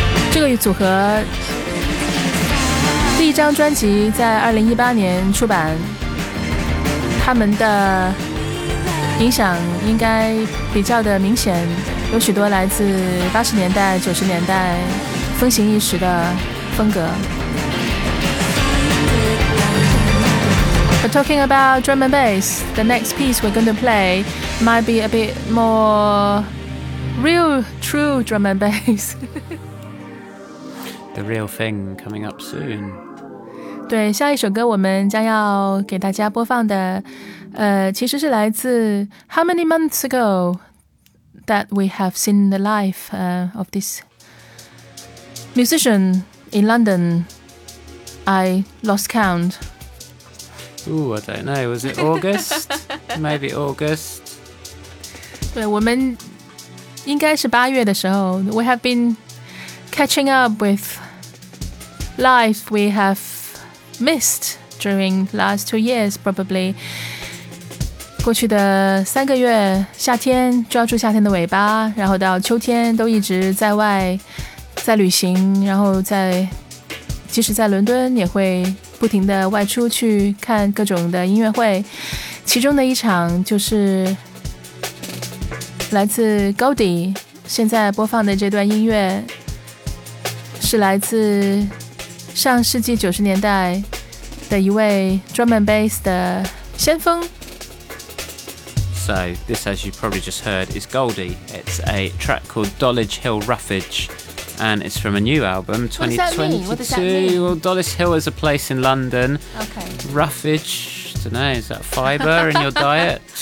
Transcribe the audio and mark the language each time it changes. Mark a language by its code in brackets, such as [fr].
[zh] 这个组合第一张专辑在2018年出版，他们的影响应该比较的明显，有许多来自80年代、90年代风行一时的风格。 [en] But talking about drum and bass, the next piece we're going to play might be a bit more real, true drum and bass. The real thing coming up soon. [zh] 对，下一首歌我们将要给大家播放的其实是来自 [en] How many months ago that we have seen the life of this musician in London? I lost count. Ooh, I don't know. Was it August? Maybe August. [zh] 对，我们应该是八月的时候。 [en] We have been catching up with life we have missed during last 2 years, probably. [zh] 过去的三个月，夏天抓住夏天的尾巴，然后到秋天都一直在外，在旅行，然后在即使在伦敦也会不停的外出去看各种的音乐会，其中的一场就是来自 Goldie 现在播放的这段音乐，是来自上世纪九十年代的一位 drum and bass 的先锋。 [en] So this, as you probably just heard, is Goldie. It's a track called Dollidge Hill Roughage. And it's from a new album, 2022. Well, Dollis Hill is a place in London. Okay. Roughage, I don't know, is that fiber in your diet?